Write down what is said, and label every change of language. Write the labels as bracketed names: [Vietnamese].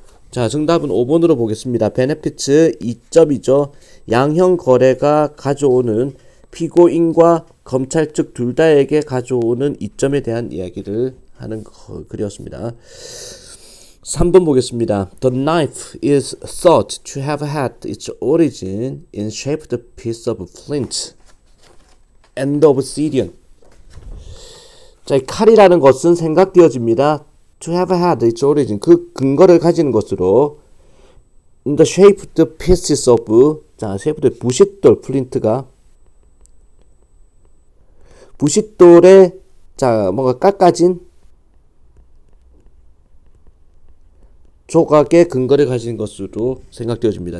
[Korean] 자, 정답은 5번으로 보겠습니다. 베네피츠 2점이죠. 양형 거래가 가져오는 피고인과 검찰 측둘 다에게 가져오는 이점에 대한 이야기를 하는 글이었습니다. 3번 보겠습니다. [English] The knife is thought to have had its origin in shaped piece of flint and obsidian. [Korean] 자, 칼이라는 것은 생각되어집니다. [English] To have had its origin. [Korean] 그 근거를 가진 것으로. [English] In the shaped pieces of. [Korean] 자, shaped 부싯돌, 플린트가. 부싯돌에, 자, 뭔가 깎아진 조각의 근거를 가진 것으로 생각되어집니다.